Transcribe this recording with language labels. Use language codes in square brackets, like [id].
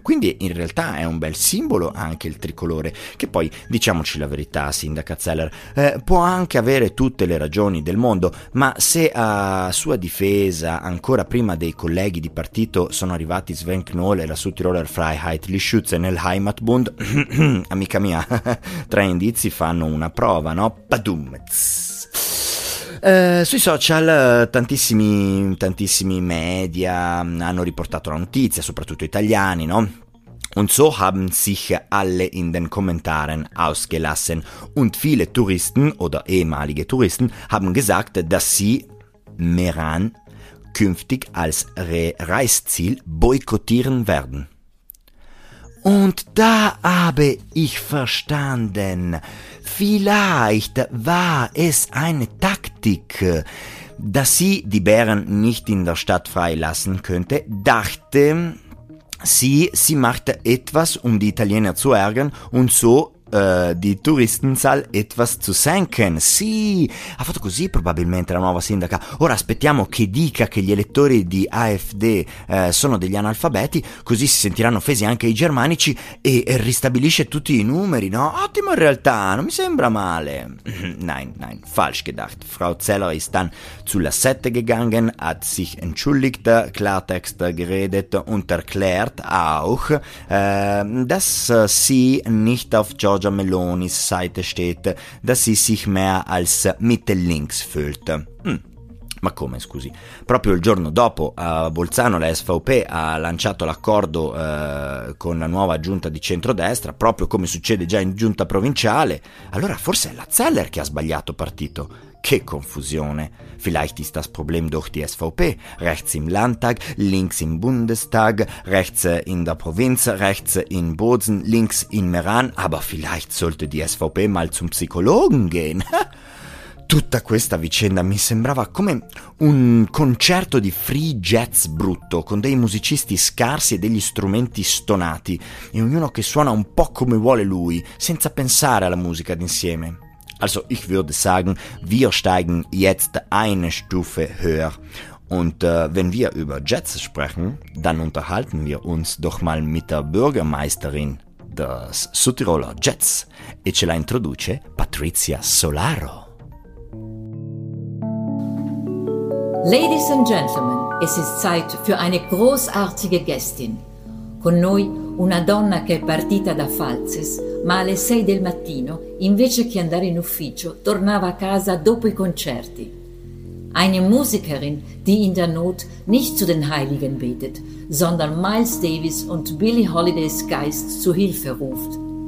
[it] Quindi in realtà è un bel simbolo anche il tricolore, che poi, diciamoci la verità, sindaca Zeller, può anche avere tutte le ragioni del mondo, ma se a sua difesa, ancora prima dei colleghi di partito, sono arrivati Sven Knoll e la Sudtiroler Freiheit, gli Schütze nel Heimatbund, amica mia, tre indizi fanno una prova, no? Badum! Sui social tantissimi media hanno riportato la notizia, soprattutto italiani, no? [de] Und so haben sich alle in den Kommentaren ausgelassen und viele Touristen oder ehemalige Touristen haben gesagt, dass sie Meran künftig als Reiseziel boykottieren werden. Und da habe ich verstanden, vielleicht war es eine Taktik, dass sie die Bären nicht in der Stadt freilassen könnte, dachte sie, sie machte etwas, um die Italiener zu ärgern und so die Touristenzahl etwas zu senken. [it] Sì, ha fatto così probabilmente la nuova sindaca. Ora aspettiamo che dica che gli elettori di AfD sono degli analfabeti, così si sentiranno offesi anche i germanici e ristabilisce tutti i numeri, no? Ottimo in realtà, non mi sembra male. [de] Nein, nein, falsch gedacht. Frau Zeller ist dann zu la Sette gegangen, hat sich entschuldigt, Klartext geredet und erklärt auch, dass sie nicht auf Giorgia Melonis Seite steht, dass sie sich mehr als Mittellinks fühlt. [it] Ma come, scusi? Proprio il giorno dopo a Bolzano la SVP ha lanciato l'accordo con la nuova giunta di centrodestra, proprio come succede già in giunta provinciale. Allora forse è la Zeller che ha sbagliato partito. Che confusione. [de] Vielleicht ist das Problem durch die SVP. Rechts im Landtag, links im Bundestag, rechts in der Provinz, rechts in Bozen, links in Meran. Aber vielleicht sollte die SVP mal zum Psychologen gehen. [it] Tutta questa vicenda mi sembrava come un concerto di free jazz brutto, con dei musicisti scarsi e degli strumenti stonati, e ognuno che suona un po' come vuole lui, senza pensare alla musica d'insieme. [de] Also, ich würde sagen, wir steigen jetzt eine Stufe höher. Und wenn wir über Jets sprechen, dann unterhalten wir uns doch mal mit der Bürgermeisterin des Südtiroler Jets. [it] E ce la introduce Patrizia Solaro. [en] Ladies and Gentlemen, [de] es ist Zeit für eine großartige Gästin. [it] Con noi una donna che è partita da Falces, ma alle 6 del mattino, invece che andare in ufficio, tornava a casa dopo i concerti. [de] Eine Musikerin, die in der Not nicht zu den Heiligen betet, sondern Miles Davis und Billie Holiday's Geist zu Hilfe ruft.